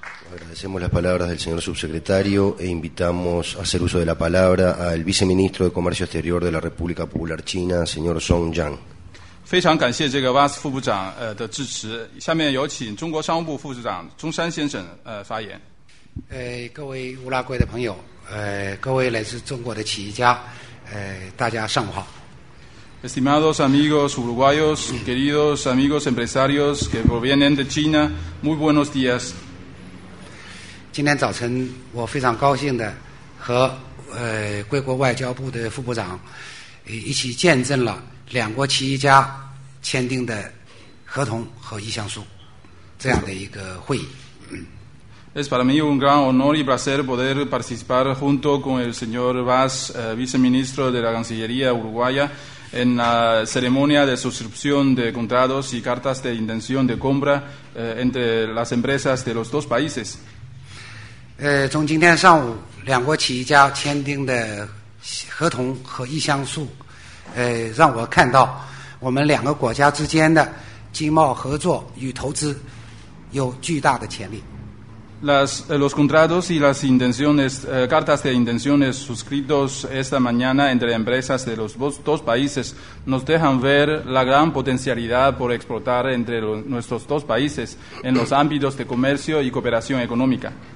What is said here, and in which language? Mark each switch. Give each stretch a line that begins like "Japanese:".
Spanish: Agradecemos las palabras del señor subsecretario e invitamos a hacer uso de la palabra al viceministro de Comercio Exterior de la República Popular China, señor Song Yang.
Chinese: 非常感谢这个 VAS 副部长的支持。下面有请中国商务部副部长钟山先生发言。各位乌拉圭的朋友，各位来自中国的企业家，大家上午好。
Spanish: Estimados amigos uruguayos, queridos amigos empresarios que provienen de China, muy buenos días.
Chinese: 今天早晨我非常高兴的和贵国外交部的副部长一起见证了两国企业家签订的合同和意向书这样的一个会议。
Spanish: Es para mí un gran honor y placer poder participar junto con el señor Vaz, viceministro de la Cancillería Uruguaya, en la ceremonia de suscripción de contratos y cartas de intención de compra entre las empresas de los dos países.
Chinese: 从今天上午两国企业家签订的合同和意向书让我看到我们两个国家之间的经贸合作与投资有巨大的潜力。
Spanish: Los contratos y las intenciones, cartas de intenciones suscritos esta mañana entre empresas de los dos países nos dejan ver la gran potencialidad por explotar entre nuestros dos países en los ámbitos de comercio y cooperación económica.